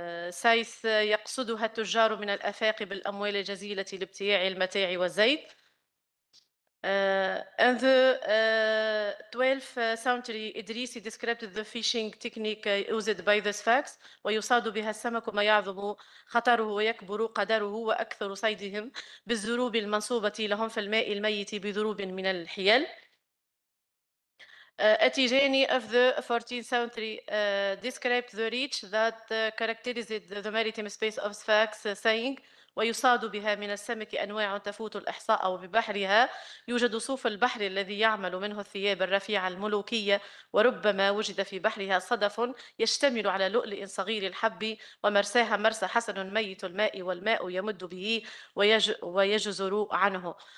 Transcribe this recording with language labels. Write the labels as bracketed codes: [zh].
[ar] سايس يقصدها التجار من الأفاق بالأموال الجزيلة لابتياع المتاع والزيت. [en] In the 12th century, Idrisi described the fishing technique used by the Sfax. [ar] ويصاد بها السمك ما يعظم خطره ويكبر قدره وأكثر صيدهم بالذروب المنصوبة لهم في الماء الميت بذروب من الحيل. [en] Etigeni of the 14th century described the reach that characterized the maritime space of Sfax, saying, [ar] ويصاد بها من السمك أنواع تفوت الإحصاء وببحرها يوجد صوف البحر الذي يعمل منه الثياب الرفيعة الملوكية وربما وجد في بحرها صدف يشتمل على لؤلؤ صغير الحب ومرساها مرسى حسن ميت الماء والماء يمد به ويجزر عنه.